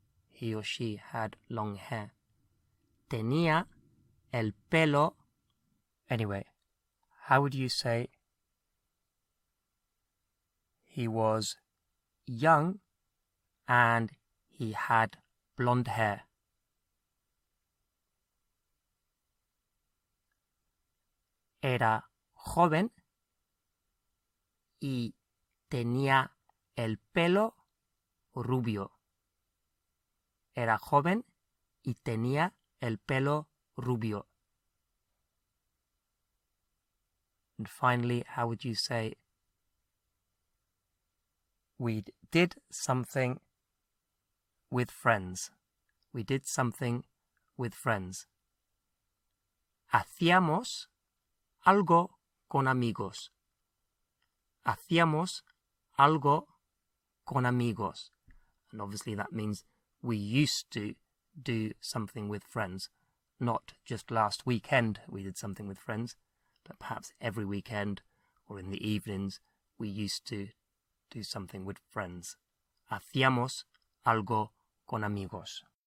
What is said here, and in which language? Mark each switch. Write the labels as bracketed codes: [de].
[en] He or she had long hair. [es] Tenía el pelo. [en] Anyway, how would you say he was young and he had blonde hair? [es] Era joven y tenía el pelo rubio. Era joven y tenía el pelo rubio. [en] And finally, how would you say we did something with friends? We did something with friends. [es] Hacíamos algo con amigos. Hacíamos algo con amigos. [en] And obviously that means we used to do something with friends, not just last weekend we did something with friends, but perhaps every weekend or in the evenings we used to do something with friends. [es] Hacíamos algo con amigos.